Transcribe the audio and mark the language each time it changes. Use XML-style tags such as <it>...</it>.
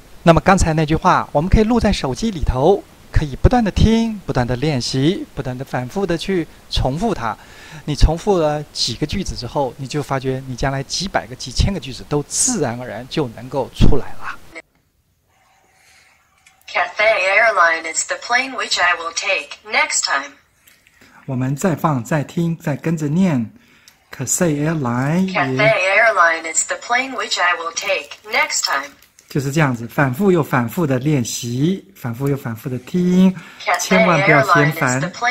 <zh>那么刚才那句话，我们可以录在手机里头，可以不断的听，不断的练习，不断的反复的去重复它。你重复了几个句子之后，你就发觉你将来几百个、几千个句子都自然而然就能够出来了。</zh> <en>Cathay Airline is the plane which I will take next time.</en> <zh>我们再放、再听、再跟着念。</zh> <en>Cathay Airline. Cathay Airline is the plane which I will take next time.</en> <zh>就是这样子，反复又反复的练习，反复又反复的听，千万不要嫌烦。</zh>